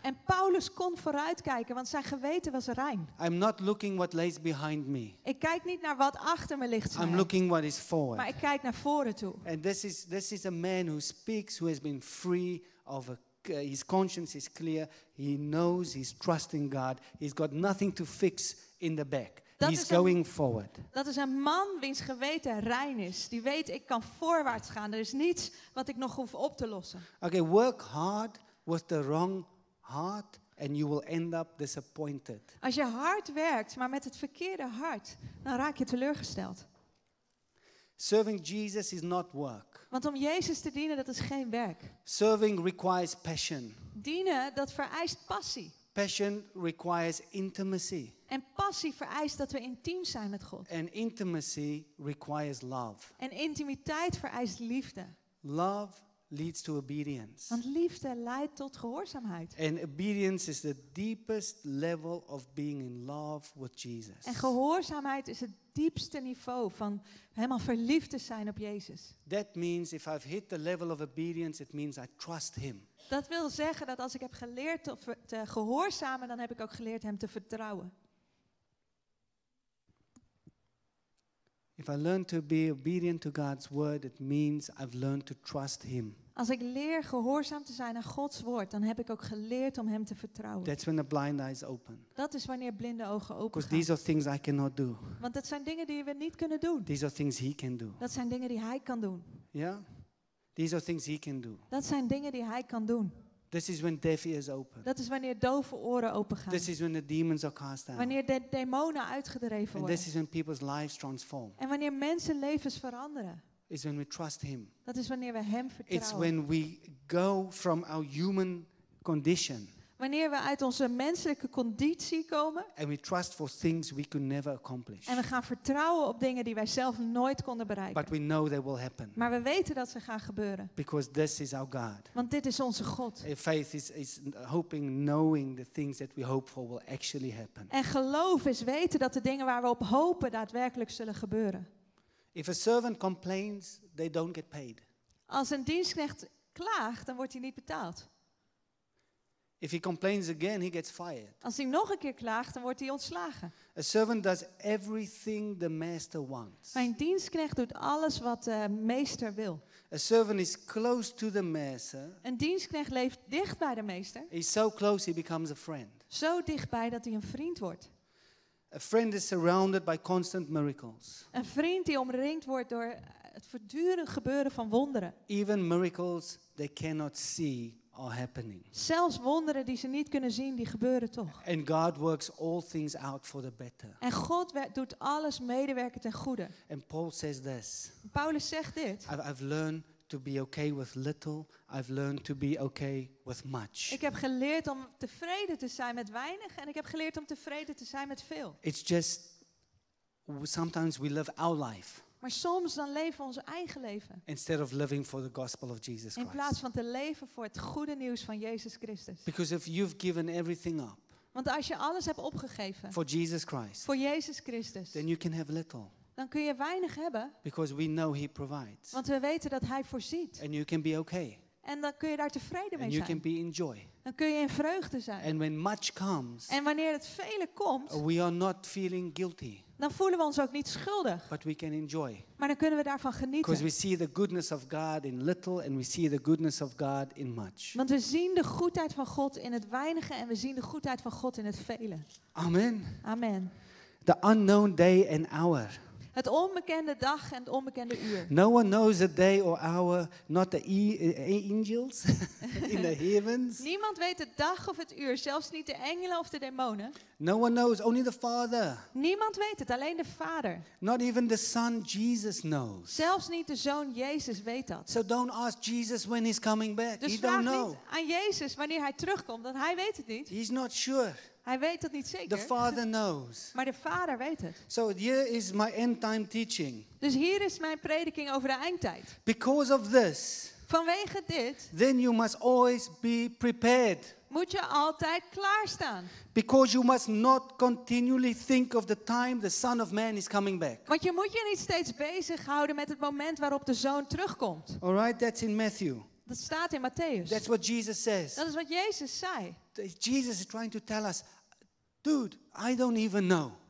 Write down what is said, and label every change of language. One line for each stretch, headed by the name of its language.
Dutch: En Paulus kon vooruitkijken, want zijn geweten was rein.
English: I'm not looking what lays behind me.
Dutch: Ik kijk niet naar wat achter me ligt.
English: I'm looking what is forward.
Dutch: Maar ik kijk naar voren toe.
English: And this is a man who speaks, who has been free of a his conscience is clear. He knows he's trusting God. He's got nothing to fix in the back. He's going forward.
Dutch: Dat is een man wiens geweten rein is. Die weet, ik kan voorwaarts gaan. Er is niets wat ik nog hoef op te lossen.
English: Okay, work hard with the wrong heart and you will end up disappointed.
Dutch: Als je hard werkt, maar met het verkeerde hart, dan raak je teleurgesteld.
English: Serving Jesus is not work.
Dutch: Want om Jezus te dienen, dat is geen werk.
English: Serving requires passion.
Dutch: Dienen, dat vereist passie.
English: Passion requires intimacy.
Dutch: En passie vereist dat we intiem zijn met God.
English: And intimacy requires love.
Dutch: En intimiteit vereist liefde.
English: Love leads to obedience.
Dutch: Want liefde leidt tot gehoorzaamheid.
English: And obedience is the deepest level of being in love with Jesus.
Dutch: En gehoorzaamheid is het diepste niveau van helemaal verliefd te zijn op Jezus.
English: That means if I've hit the level of obedience, it means I trust him.
Dutch: Dat wil zeggen dat als ik heb geleerd te gehoorzamen, dan heb ik ook geleerd hem te vertrouwen.
English: If I learn to be obedient to God's word, it means I've learned to trust him.
Dutch: Als ik leer gehoorzaam te zijn aan Gods woord, dan heb ik ook geleerd om hem te vertrouwen.
English: That's when the blind eyes open.
Dutch: Dat is wanneer blinde ogen open gaan.
English: Because these are things I cannot do.
Dutch: Want dat zijn dingen die we niet kunnen doen.
English: These are things he can do.
Dutch: Dat zijn dingen die hij kan doen. Ja?
English: Yeah? These are things he can do.
Dutch: Dat zijn dingen die hij kan doen.
English: This is when deaf ears open.
Dutch: Dat is wanneer dove oren open gaan.
English: This is when the demons are cast out.
Dutch: Wanneer de demonen uitgedreven worden.
English: And this is when people's lives transform.
Dutch: En wanneer mensen levens veranderen.
English: Is when we trust him.
Dutch: Dat is wanneer we hem vertrouwen.
English: It's when we go from our human condition.
Dutch: Wanneer we uit onze menselijke conditie komen.
English: And we trust for things we could never accomplish.
Dutch: En we gaan vertrouwen op dingen die wij zelf nooit konden bereiken.
English: But we know they will happen.
Dutch: Maar we weten dat ze gaan gebeuren.
English: Because this is our God.
Dutch: Want dit is onze God.
English: Faith is hoping, knowing the things that we hope for will actually happen.
Dutch: En geloof is weten dat de dingen waar we op hopen daadwerkelijk zullen gebeuren.
English: If a servant complains, they don't get paid.
Dutch: Als een dienstknecht klaagt, dan wordt hij niet betaald.
English: If he complains again, he gets fired.
Dutch: Als hij nog een keer klaagt, dan wordt hij ontslagen.
English: A servant does everything the master wants.
Dutch: Mijn dienstknecht doet alles wat de meester wil.
English: A servant is close to the master.
Dutch: Een dienstknecht leeft dicht bij de meester.
English: He's so close, he becomes a friend.
Dutch: Zo dichtbij dat hij een vriend wordt.
English: A friend is surrounded by constant miracles.
Dutch: Een vriend die omringd wordt door het voortdurend gebeuren van wonderen.
English: Even miracles they cannot see are happening.
Dutch: Zelfs wonderen die ze niet kunnen zien, die gebeuren toch.
English: And God works all things out for the better.
Dutch: En God doet alles medewerken ten goede.
English: And Paul says this.
Dutch: Paulus zegt dit.
English: I've learned to be okay with little. I've learned to be okay with much.
Dutch: Ik heb geleerd om tevreden te zijn met weinig en ik heb geleerd om tevreden te zijn met veel.
English: It's just sometimes we live our life.
Dutch: Maar soms dan leven we ons eigen leven.
English: Instead of living for the gospel of Jesus Christ.
Dutch: In plaats van te leven voor het goede nieuws van Jezus Christus.
English: Because if you've given everything up.
Dutch: Want als je alles hebt opgegeven.
English: For Jesus Christ.
Dutch: Voor Jezus Christus.
English: Then you can have little.
Dutch: Dan kun je weinig hebben.
English: Because we know he provides.
Dutch: Want we weten dat hij voorziet.
English: And you can be okay.
Dutch: En dan kun je daar tevreden mee
English: and you
Dutch: zijn.
English: Can be in joy.
Dutch: Dan kun je in vreugde zijn.
English: And when much comes,
Dutch: en wanneer het vele komt.
English: We are not feeling guilty.
Dutch: Dan voelen we ons ook niet schuldig.
English: But we can enjoy.
Dutch: Maar dan kunnen we daarvan genieten.
English: Because we see the goodness of God in little and we see the goodness of God in much.
Dutch: Want we zien de goedheid van God in het weinige en we zien de goedheid van God in het vele. Amen. Amen.
English: The unknown day and hour.
Dutch: Het onbekende dag en het onbekende uur.
English: No one knows the day or hour, not the angels in the heavens.
Dutch: Niemand weet de dag of het uur, zelfs niet de engelen of de demonen.
English: No one knows, only the Father.
Dutch: Niemand weet het, alleen de Vader.
English: Not even the Son Jesus knows.
Dutch: Zelfs niet de Zoon Jezus weet dat.
English: So don't ask Jesus when he's coming back.
Dutch: Dus
English: he don't know.
Dutch: Dus vraag niet aan Jezus wanneer hij terugkomt, want hij weet het niet.
English: He's not sure.
Dutch: Hij weet dat niet zeker.
English: The Father knows.
Dutch: Maar de Vader weet het.
English: So here is my end time teaching.
Dutch: Dus hier is mijn prediking over de eindtijd.
English: Because of this.
Dutch: Vanwege dit.
English: Then you must always be prepared.
Dutch: Moet je altijd klaarstaan.
English: Because you must not continually think of the time the Son of Man is coming back.
Dutch: Want je moet je niet steeds bezighouden met het moment waarop de Zoon terugkomt.
English: All right, that's in Matthew.
Dutch: Dat staat in Matthäus.
English: That's what Jesus says.
Dutch: Dat is wat Jezus zei.
English: Jesus is trying to tell us, dude, I don't even know.